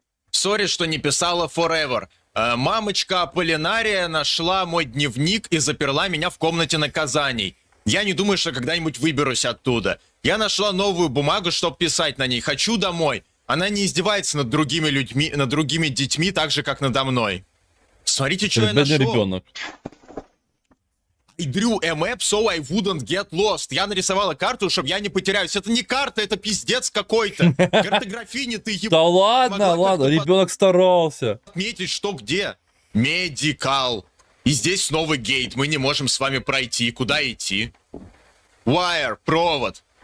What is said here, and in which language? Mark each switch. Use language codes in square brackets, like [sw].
[ru] Сори, что не писала forever. Мамочка Аполлинария нашла мой дневник и заперла меня в комнате наказаний. Я не думаю, что когда-нибудь выберусь оттуда. Я нашла новую бумагу, чтобы писать на ней. Хочу домой. Она не издевается над другими людьми, над другими детьми, так же, как надо мной. Смотрите, что я нашел. Ребенок. [en] I drew a map, so I wouldn't get lost. [ru] Я нарисовала карту, чтобы я не потеряюсь. Это не карта, это пиздец какой-то. Картографини ты ебал. Да ладно, ладно, ребенок старался. Отметить, что где? Медикал. И здесь снова гейт. Мы не можем с вами пройти. Куда идти? Wire, провод.